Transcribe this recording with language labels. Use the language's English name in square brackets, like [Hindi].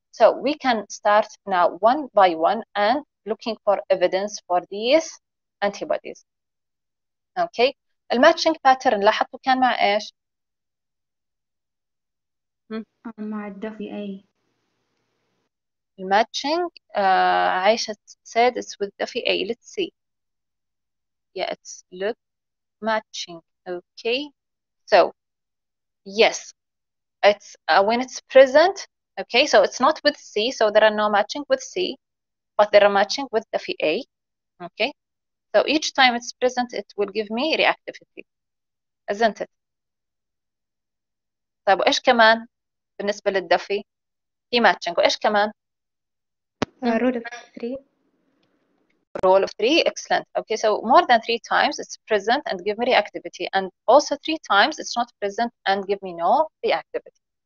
[English] So we can start now one by one and looking for evidence for these antibodies. Okay. The matching pattern [Arabic] لاحظتوا كان مع إيش؟ مع الدفي أي. [English] The matching عائشة said it's with Duffy A. Let's see. Yeah, it's look matching. Okay. So yes, it's when it's present. Okay, so it's not with C, so there are no matching with C, but there are matching with Duffy A. Okay, so each time it's present, it will give me reactivity, isn't it? [Arabic] طيب وإيش كمان بالنسبة للدفي؟ في matching وإيش كمان؟ [English] Rule of three. Rule of three, excellent. Okay, so more than three times it's present and give me reactivity, and also three times it's not present and give me no reactivity.